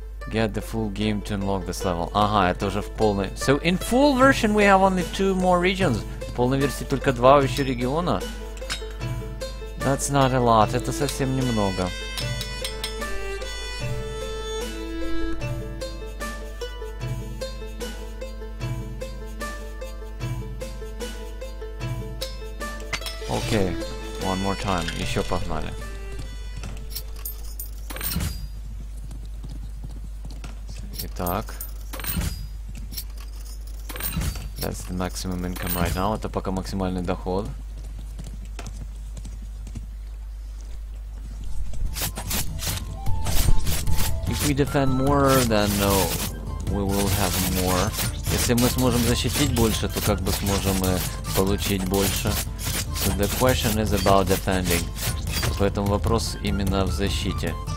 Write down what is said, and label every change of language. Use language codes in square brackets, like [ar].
[en] Get the full game to unlock this level. [ru] Ага, это уже в полной... [en] So in full version we have only two more regions. [ru] В полной версии только два еще региона. [en] That's not a lot, [ru] это совсем немного. [en] Okay, one more time, [ru] еще погнали. Так. [en] That's the maximum income right now. [ru] Это пока максимальный доход. [en] If we defend more, then no, we will have more. [ru] Если мы сможем защитить больше, то как бы сможем мы получить больше. [en] So the question is about defending. [ru] Поэтому вопрос именно в защите.